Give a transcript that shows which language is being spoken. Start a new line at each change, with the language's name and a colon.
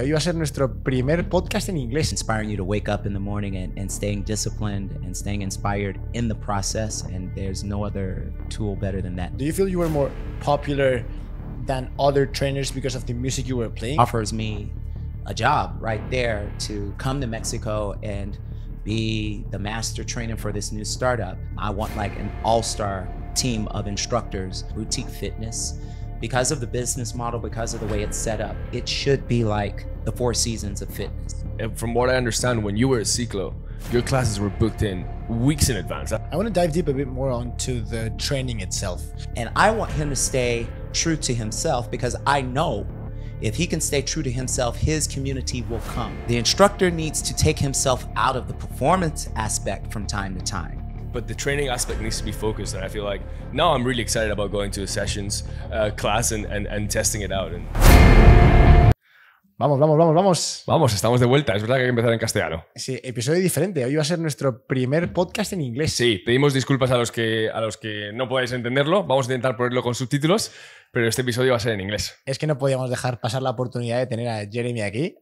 Spanish: Hoy va a ser nuestro primer podcast en inglés.
English: Inspiring you to wake up in the morning and staying disciplined and staying inspired in the process. And there's no other tool better than that. Do you feel you were more popular than other trainers because of the music you were playing? Offers me a job right there to come to Mexico and be the master trainer for this new startup. I want like an all-star team of instructors, boutique fitness. Because of the business model, because of the way it's set up, it should be like the Four Seasons of fitness. And from what I understand, when you were at Syclo, your classes were booked in weeks in advance. I want to dive deep a bit more onto the training itself. And I want him to stay true to himself because I know if he can stay true to himself, his community will come. The instructor needs to take himself out of the performance aspect from time to time. But the training aspect needs to be focused, and I feel like now I'm really excited about going to a sessions class and testing it out. And
Spanish: Vamos, estamos de vuelta. Es verdad que hay que empezar en castellano. Sí, episodio diferente. Hoy va a ser nuestro primer podcast en inglés. Sí, pedimos disculpas a los que no podáis entenderlo. Vamos a intentar ponerlo con subtítulos, pero este episodio va a ser en inglés. Es que no podíamos dejar pasar la oportunidad de tener a Jeremy aquí.